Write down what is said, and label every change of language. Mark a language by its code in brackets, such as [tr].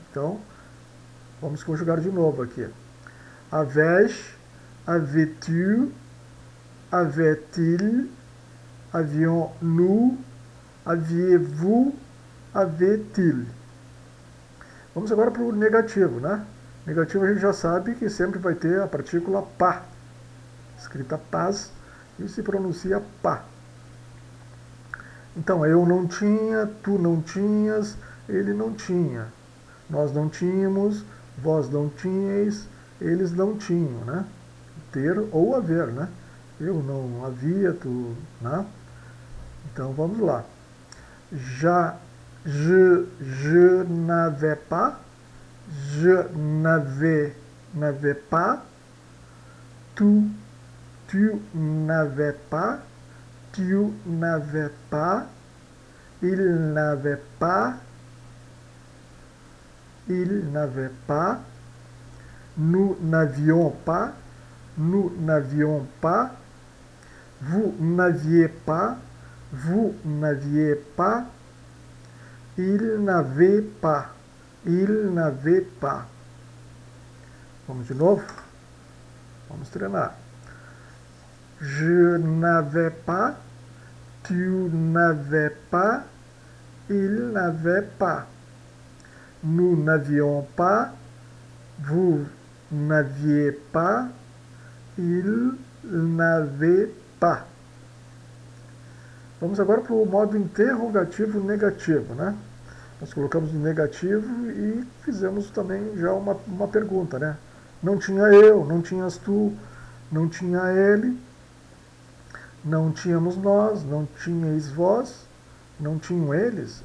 [pt] Então, vamos conjugar de novo aqui. [fr] Avais-tu, avait-il, avions-nous, aviez-vous, avait-il? [pt] Vamos agora para o negativo, né? Negativo a gente já sabe que sempre vai ter a partícula pa, escrita pas, e se pronuncia pa. Então, eu não tinha, tu não tinhas, ele não tinha, nós não tínhamos, vós não tínheis, eles não tinham, né? Ter ou haver, né? Eu não havia, tu, né? Então vamos lá. [fr] je n'avais pas, je n'avais pas, tu n'avais pas, tu n'avais pas, il n'avait pas, il n'avait pas, nous n'avions pas, nous n'avions pas, vous n'aviez pas, vous n'aviez pas, il n'avait pas, il n'avait pas. [pt] Vamos de novo? Vamos treinar. [fr] Je n'avais pas, tu n'avais pas, il n'avait pas. Nous n'avions pas, vous n'aviez pas, il n'avait pas. [pt] Vamos agora para o modo interrogativo negativo, né? Nós colocamos o negativo e fizemos também já uma pergunta, né? Não tinha eu, não tinhas tu, não tinha ele, não tínhamos nós, não tinhais vós, não tinham eles.